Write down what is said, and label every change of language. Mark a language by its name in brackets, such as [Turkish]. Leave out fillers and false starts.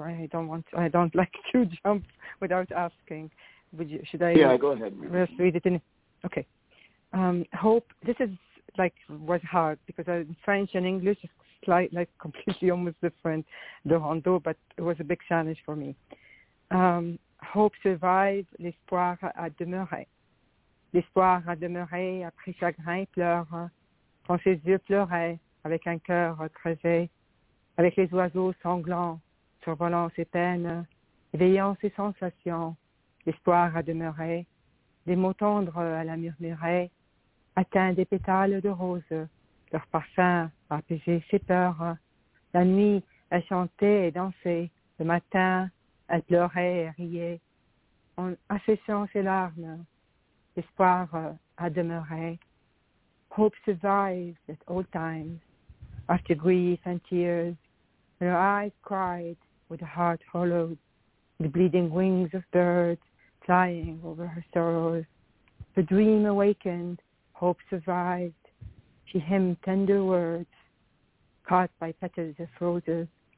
[English] I don't like to jump without asking. Go ahead. Let's read it in. Okay. This is like, was hard because in French and English is like completely almost different, the rondo, but it was a big challenge for me. Hope survive, [French] l'espoir a demeuré. L'espoir a demeuré, après chagrin pleure, quand ses yeux pleuraient, avec un cœur creusé, avec les oiseaux sanglants, survolant ses peines, éveillant ses sensations, l'espoir a demeuré, des mots tendres à la murmurer, atteint des pétales de rose, leur parfum a apaisé ses peurs, la nuit a chanté et dansé, le matin elle pleurait et riait, en asséchant ses larmes, l'espoir a demeuré. [English] Hope survived at all times, after grief and tears, and her eyes cried with a heart hollowed, the bleeding wings of birds flying over her sorrows. The dream awakened, hope survived. She hymned tender words, caught by petals of roses.